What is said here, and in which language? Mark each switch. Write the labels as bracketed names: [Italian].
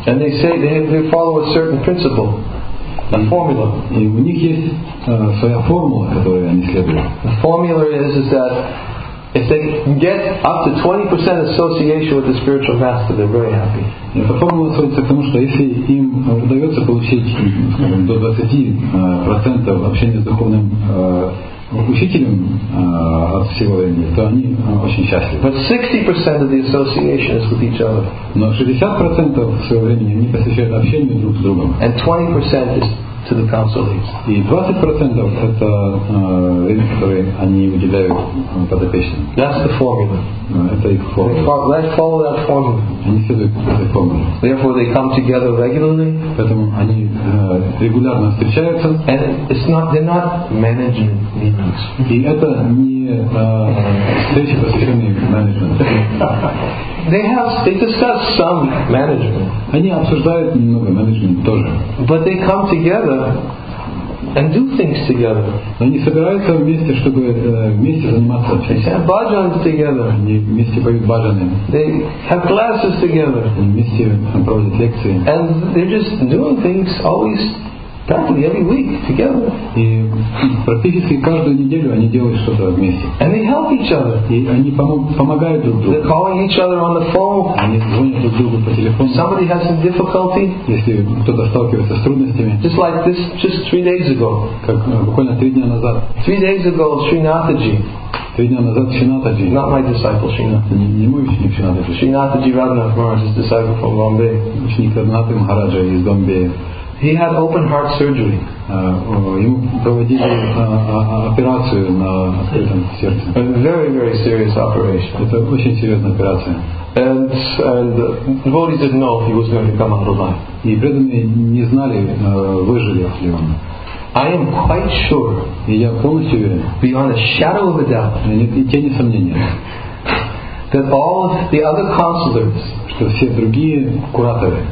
[English] And they say they follow a certain principle, a formula. [Russian] И у них есть своя формула, которую они следуют. [English] The formula is that if they can get up to 20% association with the spiritual master, they're very happy. [Russian] Эта формула сводится к тому, что если им удается получить, скажем, до 20% общения с духовным учителем от всего времени, то они очень счастливы. [English] But 60% of the association is with each other. [Russian] Но 60% своего времени они посвящают общению друг с другом. [English] And 20% is to the consulates. [Russian] И 20% это время, которое они уделяют подопечным. [English] That's the formula. [Russian] Это их формула. [English] Let's follow that formula. [Russian] Они следуют этой формуле. [English] Therefore, they come together regularly. [Russian] Поэтому они регулярно встречаются. [English] And it's not, they're not management meetings. [Russian] И это не встречи, посвященные менеджменту. [English] They discuss some management. [Russian] Они обсуждают немного менеджмент тоже. [English] But they come together and do things together. [Russian] Они собираются вместе, чтобы вместе заниматься общением. [English] They have bhajans together. [Russian] Они вместе поют бхаджаны. [English] They have classes together. [Russian] Они вместе проводят лекции. [English] And they're just doing things always practically every week together. [Russian] И практически каждую неделю они делают что-то вместе. [English] And they help each other. [Russian] И они помогают друг другу. [English] They're calling each other on the phone. [Russian] Они звонят друг другу по телефону. [English] Somebody has some difficulty. [Russian] Если кто-то сталкивается с трудностями. [English] Just like this, just 3 days ago. [Russian] Как буквально 3 дня назад. [English] 3 days ago, Srinathaji. [Russian] 3 дня назад Шринатаджи. [English] Not my disciple, Srinathaji. [Russian] Не мой ученик Шринатаджи. [English] Srinathaji Radhanath Maharaj's disciple from Bombay. [Russian] Ученик Радханатха Махараджа из Бомбея. [English] He had open heart surgery. [Russian] Ему проводили операцию на открытом сердце. [English] A very, very serious operation. [Russian] Это очень серьезная операция. [English] And the devotees didn't know if he was going to come out alive. [Russian] И преданные не знали, выживет ли он. [English] I am quite sure. [Russian] И я полностью уверен. [English] Beyond a shadow of a doubt. [Russian] И тени сомнения. [English] That all of the other counselors, [Russian] что все другие кураторы,